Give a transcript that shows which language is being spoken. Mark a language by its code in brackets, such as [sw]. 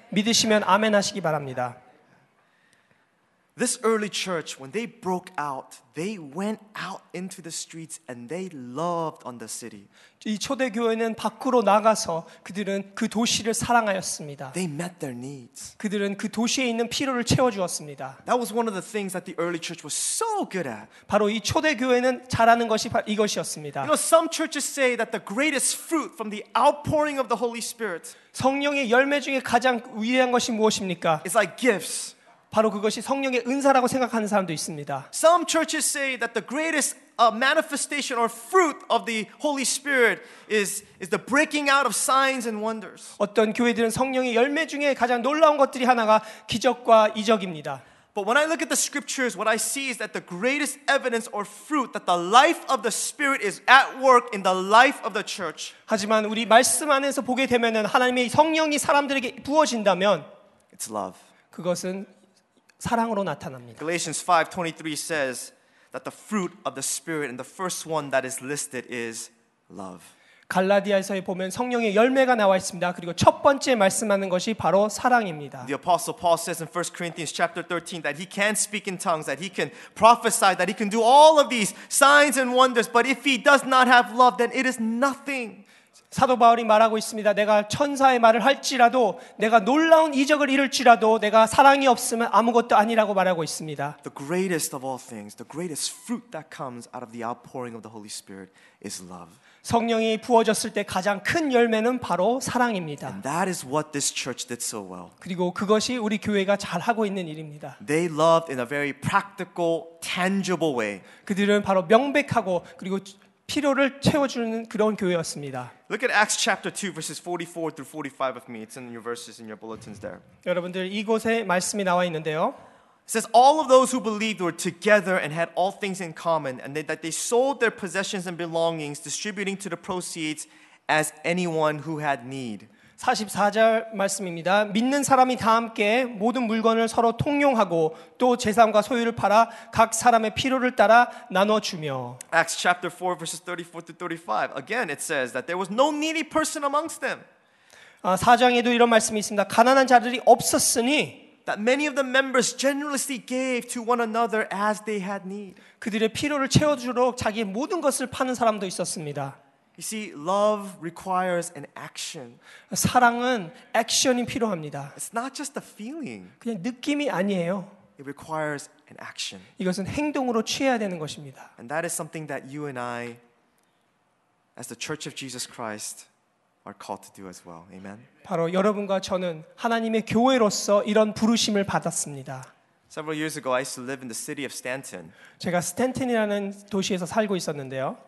[ko] 믿으시면 아멘 하시기 바랍니다. [en] This early church, when they broke out, they went out into the streets and they loved on the city. [ko] 이 초대 교회는 밖으로 나가서 그들은 그 도시를 사랑하였습니다. [en] They met their needs. [ko] 그들은 그 도시에 있는 필요를 채워주었습니다. [en] That was one of the things that the early church was so good at. [ko] 바로 이 초대 교회는 잘하는 것이 이것이었습니다. [en] You know, some churches say that the greatest fruit from the outpouring of the Holy Spirit [ko] 성령의 열매 중에 가장 위대한 것이 무엇입니까? [en] It's like gifts. [ko] 바로 그것이 성령의 은사라고 생각하는 사람도 있습니다. [en] Some churches say that the greatest manifestation or fruit of the Holy Spirit is the breaking out of signs and wonders. [ko] 어떤 교회들은 성령의 열매 중에 가장 놀라운 것들이 하나가 기적과 이적입니다. [en] But when I look at the scriptures, what I see is that the greatest evidence or fruit that the life of the Spirit is at work in the life of the church. [ko] 하지만 우리 말씀 안에서 보게 되면은 하나님의 성령이 사람들에게 부어진다면 [en] it's love. [ko] 그것은 사랑으로 나타납니다. [en] Galatians 5:23 says that the fruit of the spirit and the first one that is listed is love. [ko] 갈라디아서에 보면 성령의 열매가 나와 있습니다. 그리고 첫 번째 말씀하는 것이 바로 사랑입니다. [en] The apostle Paul says in 1 Corinthians chapter 13 that he can speak in tongues, that he can prophesy, that he can do all of these signs and wonders, but if he does not have love then it is nothing. [ko] 사도 바울이 말하고 있습니다. 내가 천사의 말을 할지라도 내가 놀라운 이적을 이룰지라도 내가 사랑이 없으면 아무것도 아니라고 말하고 있습니다. [en] The greatest of all things, the greatest fruit that comes out of the outpouring of the Holy Spirit is love. [ko] 성령이 부어졌을 때 가장 큰 열매는 바로 사랑입니다. [en] And that is what this church did so well. [ko] 그리고 그것이 우리 교회가 잘 하고 있는 일입니다. [en] They loved in a very practical, tangible way. [ko] 그들은 바로 명백하고 그리고 필요를 채워주는 그런 교회였습니다. [en] Look at Acts chapter 2 verses 44 through 45 with me. It's in your verses in your bulletins there. [ko] 여러분들 이곳에 말씀이 나와 있는데요. [en] It says all of those who believed were together and had all things in common and that they sold their possessions and belongings distributing to the proceeds as anyone who had need. [ko] 44절 말씀입니다. 믿는 사람이 다 함께 모든 물건을 서로 통용하고 또 재산과 소유를 팔아 각 사람의 필요를 따라 나눠주며 [en] Acts chapter 4 verses 34 to 35 Again it says that there was no needy person amongst them. [ko] 4장에도 이런 말씀이 있습니다. 가난한 자들이 없었으니 [en] That many of the members generously gave to one another as they had need. [ko] 그들의 필요를 채워주도록 자기의 모든 것을 파는 사람도 있었습니다. [en] You see, love requires an action. [ko] 사랑은 액션이 필요합니다. [en] It's not just a feeling. [ko] 그냥 느낌이 아니에요. [en] It requires an action. [ko] 이것은 행동으로 취해야 되는 것입니다. [en] And that is something that you and I, as the Church of Jesus Christ, are called to do as well. Amen. [ko] 바로 여러분과 저는 하나님의 교회로서 이런 부르심을 받았습니다. [en] Several years ago, I used to live in the city of Stanton. [ko] 제가 스탠튼이라는 도시에서 살고 있었는데요.